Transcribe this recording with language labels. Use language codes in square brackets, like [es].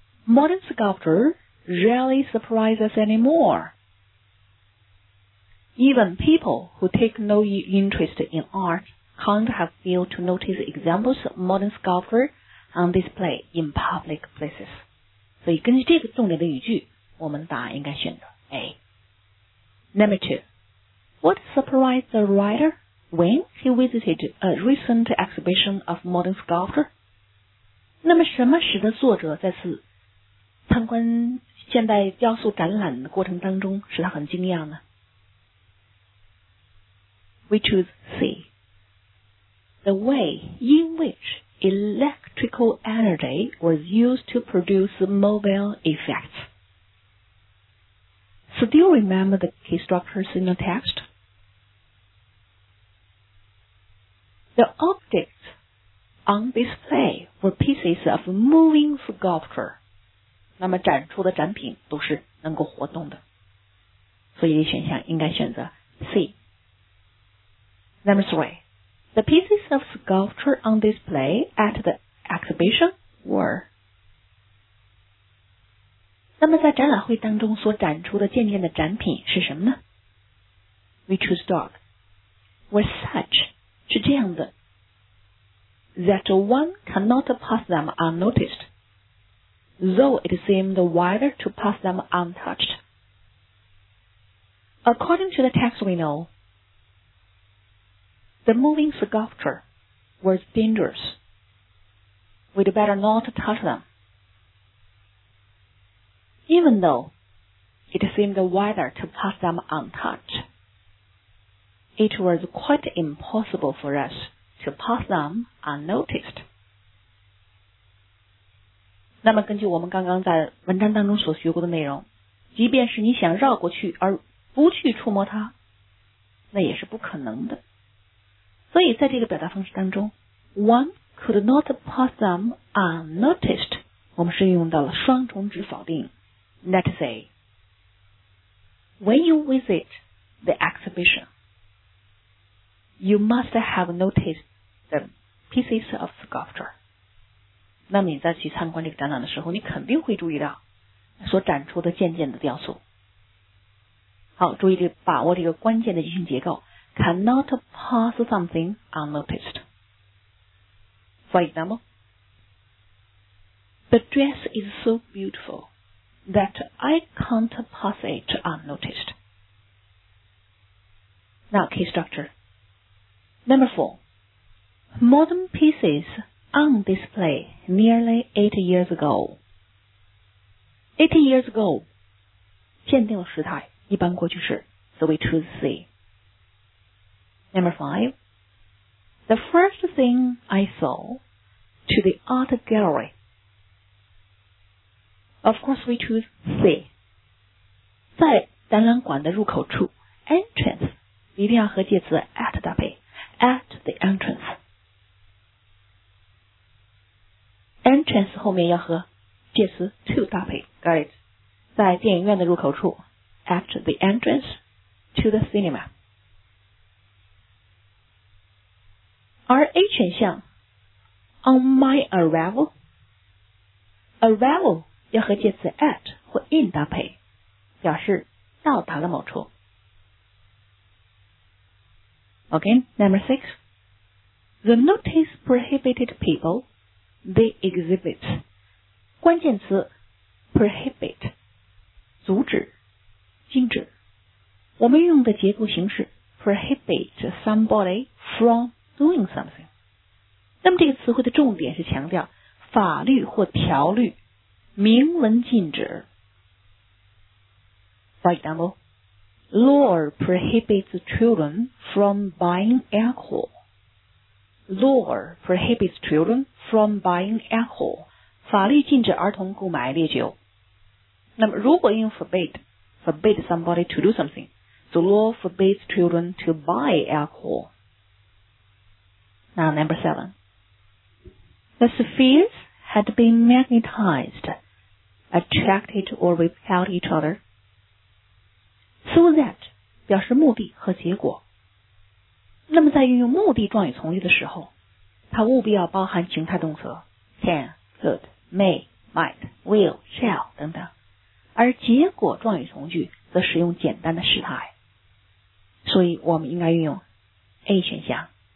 [en] Modern sculpture rarely surprises us anymore. Even people who take no interest in art can't have failed to notice examples of modern sculpture on display in public places. [zh] 所以根据这个重点的语句，我们答案应该选择 A. [en] Number 2. What surprised the writer when he visited a recent exhibition of modern sculpture? [zh] 那么什么使得作者在此参观现代雕塑展览的过程当中使他很惊讶呢？ [en] We choose C. The way in which electrical energy was used to produce mobile effects. So do you remember the key structures in the text? The objects on display were pieces of moving sculpture. [zh] 那么展出的展品都是能够活动的。所以选项应该选择 C. [en] Number 3. The pieces of sculpture on display at the exhibition were. [zh] 那么在展览会当中所展出的渐渐的展品是什么呢? [en] We choose dog. Were such, [zh] 是这样的, [en] that one cannot pass them unnoticed, though it seemed wider to pass them untouched. According to the text we know,The moving sculpture was dangerous. We'd better not touch them. Even though it seemed wider to pass them untouched, it was quite impossible for us to pass them unnoticed. [zh] 那么根据我们刚刚在文章当中所学过的内容，即便是你想绕过去而不去触摸它，那也是不可能的。所以在这个表达方式当中 [en] one could not pass them unnoticed [zh] 我们是用到了双重指否定 [en] Let's say When you visit the exhibition You must have noticed the pieces of sculpture [zh] 那么你在去参观这个展览的时候你肯定会注意到所展出的渐渐的雕塑好注意这把握这个关键的句型结构 [en] Cannot pass something unnoticed. For example, the dress is so beautiful that I can't pass it unnoticed. Now, key structure. Number 4. Modern pieces on display nearly 8 years ago. 8 years ago. [zh] 限定时态一般过去式 [en] So we choose C. Number 5. The first thing I saw to the art gallery. Of course, we choose C. [zh] 在展览馆的入口处 entrance 一定要和介词 at 搭配 [en] at the entrance. [zh] Entrance 后面要和介词 to 搭配 [en] got it. [zh] 在电影院的入口处 [en] at the entrance to the cinema. [zh] 而 A 选项 [en] On my arrival Arrival [zh] 要和介词 at 或 in 搭配表示到达了某处 [en] OK, number 6 The notice prohibited people the exhibit [zh] 关键词 [en] prohibit [zh] 阻止禁止我们用的结构形式 [en] prohibit somebody fromdoing something. [zh] 那么这个词汇的重点是强调法律或条律明文禁止。 [en] For example, law prohibits children from buying alcohol. Law prohibits children from buying alcohol. [zh] 法律禁止儿童购买烈酒。那么如果用 [en] forbid somebody to do something, the law forbids children to buy alcohol. Now number 7. The spheres had been magnetized, attracted or repelled each other, so that [zh] 表示目的和结果。那么在运用目的状语从句的时候，它务必要包含情态动词 [en] can, could, may, might, will, shall [zh] 等等，而结果状语从句则使用简单的时态，所以我们应该运用 A 选项。